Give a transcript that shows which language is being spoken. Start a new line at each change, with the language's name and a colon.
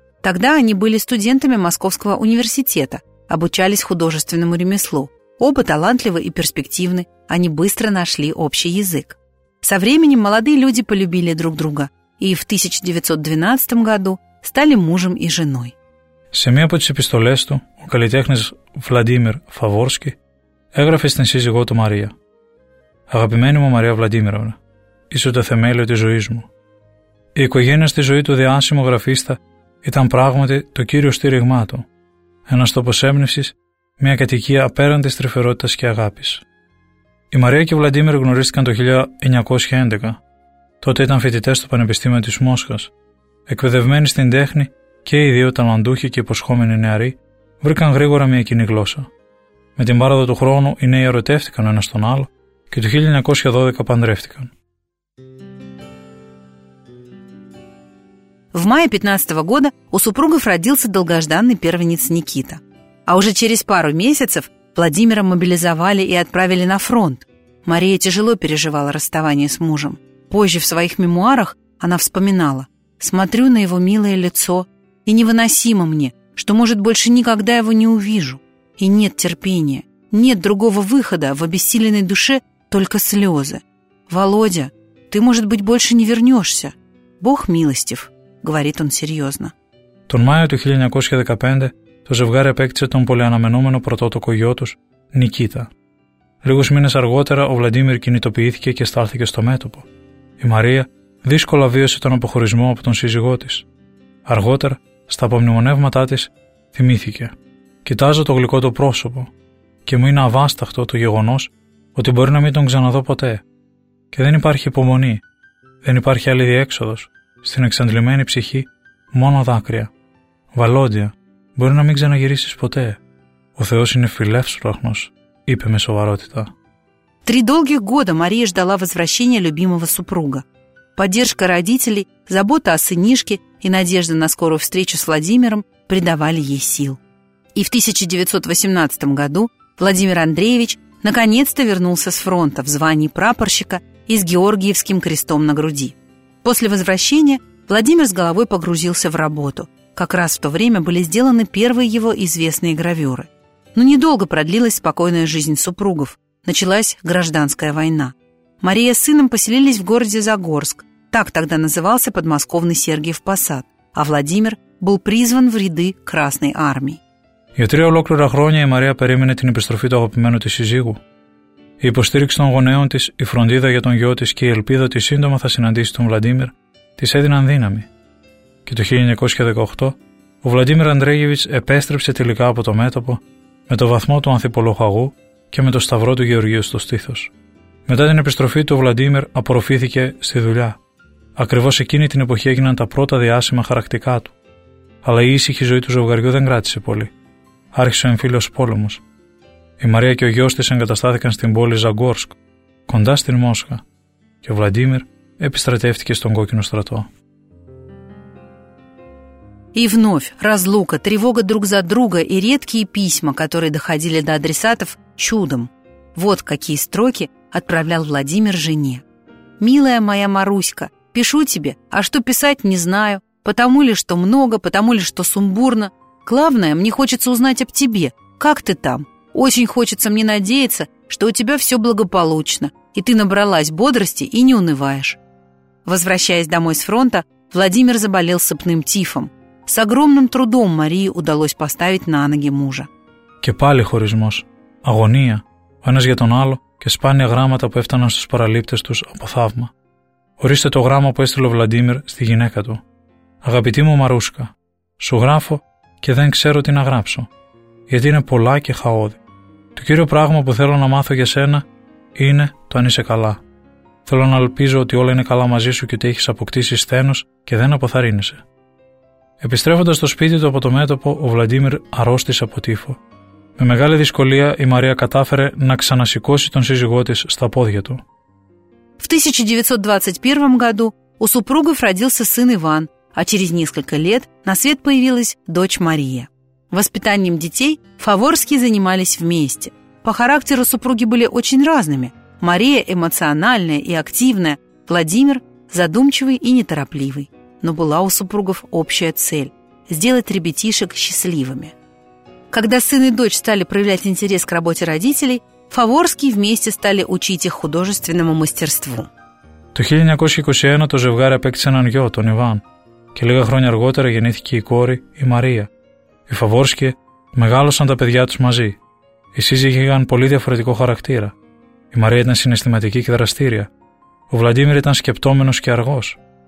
Russian: Тогда они были студентами Московского университета, обучались художественному ремеслу. Оба талантливы и перспективны, они быстро нашли общий язык. Со временем молодые люди полюбили друг друга и в 1912 году стали мужем и женой.
Greek: Σε μία από τις επιστολές του, ο καλλιτέχνης Βλαντίμιρ Φαβόρσκι έγραφε στην σύζυγό του Μαρία: «Αγαπημένη μου Μαρία Βλαντίμιρα, είσαι το θεμέλιο της ζωής μου. Η οικογένεια στη ζωή του διάσημου γραφίστα ήταν πράγματι το κύριο στήριγμά του, ένας τόπος έμπνευσης, μια κατοικία απέραντης τρυφερότητας και αγάπης. Η Μαρία και ο Βλαντίμιρ γνωρίστηκαν το 1911. Τότε ήταν φοιτητές στο Πανεπιστήμιο της Μόσχας. Εκπαιδευμένοι στην τέχνη και οι δύο ταλαντούχοι και υποσχόμενοι νεαροί βρήκαν γρήγορα μια κοινή γλώσσα. Με την πάροδο του χρόνου οι νέοι ερωτεύτηκαν ο ένας τον άλλο και το 1912 παντρεύτηκαν».
Russian: В мае 15 года у супругов родился долгожданный первенец Никита. А уже через пару месяцев Владимира мобилизовали и отправили на фронт. Мария тяжело переживала расставание с мужем. Позже в своих мемуарах она вспоминала: «Смотрю на его милое лицо, и невыносимо мне, что, может, больше никогда его не увижу. И нет терпения, нет другого выхода в обессиленной душе, только слезы. Володя, ты, может быть, больше не вернешься. Бог милостив, говорит он серьезно.
Greek: Τον Μάιο του 1915 το ζευγάρι απέκτησε τον πολυαναμενόμενο πρωτότοκο γιο τους, Νικίτα. Λίγους μήνες αργότερα ο Βλαντίμιρ κινητοποιήθηκε και στάλθηκε στο μέτωπο. Η Μαρία δύσκολα βίωσε τον αποχωρισμό από τον σύζυγό της. Αργότερα, στα απομνημονεύματά της, θυμήθηκε. Κοιτάζω το γλυκό του πρόσωπο και μου είναι αβάσταχτο το γεγονός ότι μπορεί να μην τον ξαναδώ ποτέ. Και δεν υπάρχει υπομονή, δεν υπάρχει άλλη διέξοδος. Στην εξαντλημένη ψυχή, μόνο δάκρυα. Βαλόντια, μπορεί να μην ξαναγυρίσεις ποτέ. Ο Θεός είναι φιλεύσπροχνος, είπε με σοβαρότητα.
Russian: Три долгих года Мария ждала возвращения любимого супруга. Поддержка родителей, забота о сынишке и надежда на скорую встречу с Владимиром придавали ей сил. И в 1918 году Владимир Андреевич наконец-то вернулся с фронта в звании прапорщика и с Георгиевским крестом на груди. После возвращения Владимир с головой погрузился в работу. Как раз в то время были сделаны первые его известные гравюры. Но недолго продлилась спокойная жизнь супругов. Началась гражданская война. Мария с сыном поселились в городе Загорск. Так тогда назывался подмосковный Сергиев Посад. А Владимир был призван в ряды Красной Армии.
Greek: Για τρία ολόκληρα χρόνια η Μαρία περίμενε την επιστροφή του αγαπημένου της σύζυγου. Η υποστήριξη των γονέων της, η φροντίδα για τον γιο της και η ελπίδα ότι σύντομα θα συναντήσει τον Βλαντίμιρ της έδιναν δύναμη. Και το 1918 ο Βλαντίμιρ Αντρέγεβιτς επέστρεψε τελικά από το μέτωπο με το βαθμό του ανθιπολοχαγού και με το σταυρό του Γεωργίου στο στήθος. Μετά την επιστροφή του, ο Βλαντίμιρ απορροφήθηκε στη δουλειά. Ακριβώς εκείνη την εποχή έγιναν τα πρώτα διάσημα χαρακτικά του. Αλλά η ήσυχη ζωή του ζευγαριού δεν κράτησε πολύ. Άρχισε ο εμφύλιος πόλεμος. Η Μαρία και ο γιος της εγκαταστάθηκαν στην πόλη Ζαγκόρσκ, κοντά στην Μόσχα, και ο Βλαντίμιρ επιστρατεύτηκε στον Κόκκινο στρατό.
Russian: И вновь разлука, тревога друг за друга и редкие письма, которые доходили до адресатов, чудом. Вот какие строки отправлял Владимир жене. «Милая моя Маруська, пишу тебе, а что писать не знаю, потому ли что много, потому ли что сумбурно. Главное, мне хочется узнать об тебе, как ты там. Очень хочется мне надеяться, что у тебя все благополучно, и ты набралась бодрости и не унываешь». Возвращаясь домой с фронта, Владимир заболел сыпным тифом. С огромным трудом Марии удалось поставить на ноги мужа.
Greek: Και πάλι χωρισμός, αγωνία, ο ένας για τον άλλο και σπάνια γράμματα που έφταναν στους παραλήπτες τους από θαύμα. Ορίστε το γράμμα που έστειλε ο Βλαντίμιρ στη γυναίκα του. «Αγαπητή μου Μαρούσκα, σου γράφω και δεν ξέρω τι να γράψω, γιατί είναι πολλά και χαόδη. Το κύριο πράγμα που θέλω να μάθω για σένα είναι το αν είσαι καλά. Θέλω να ελπίζω ότι όλα είναι καλά μαζί σου και ότι έχεις αποκτήσει σθένος και δεν αποθαρρύνεσαι». Επιστρέφοντας στο σπίτι του από το μέτωπο, ο Βλαντίμιρ αρρώστησε από τύφο. Με μεγάλη δυσκολία η Μαρία κατάφερε να ξανασηκώσει τον σύζυγό της στα πόδια του.
Russian: В 1921 году у супругов родился сын Иван, а через несколько лет на свет появилась дочь Мария. Воспитанием детей Фаворские занимались вместе. По характеру супруги были очень разными. Мария эмоциональная и активная, Владимир задумчивый и неторопливый. Но была у супругов общая цель – сделать ребятишек счастливыми. Когда сын и дочь стали проявлять интерес к работе родителей, Фаворские вместе стали учить их художественному мастерству.
Greek: Το 1921 το ζευγάρι απέκτησε έναν γιο, τον Ιβάν, και λίγα χρόνια αργότερα γεννήθηκε η κόρη, η Μαρία. Οι Φαβόρσκοι μεγάλωσαν τα παιδιά τους μαζί. Οι σύζυγοι είχαν πολύ διαφορετικό χαρακτήρα. Η Μαρία ήταν συναισθηματική και δραστήρια. Ο Βλαντίμιρ ήταν σκεπτόμενος και αργός.